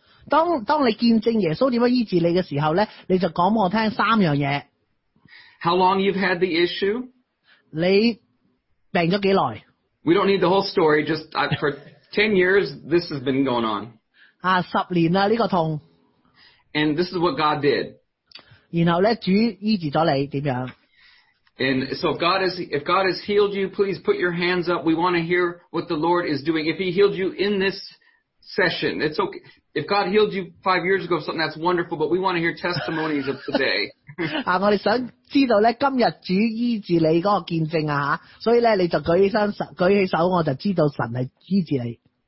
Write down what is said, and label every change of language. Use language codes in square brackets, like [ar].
[yue] 当你见证耶稣点样医治你嘅时候咧，你就讲我听三样嘢。 [en] How long you've had the issue? [yue] 你病咗几耐？ [en] We don't need the whole story. Just for 10 years, this has been going on. [yue] 十年啦呢个痛。 [en] And this is what God did. [yue] 然后咧，主医治咗你点样？ [en] And so if God has healed you, please put your hands up. We want to hear what the Lord is doing. If he healed you in this session, it's okay. If God healed you 5 years ago or something, that's wonderful, but we want to hear testimonies of today. [yue] 我哋想知道呢今日主医治你嗰个见证啊，所以呢你就举起手我就知道神系医治你。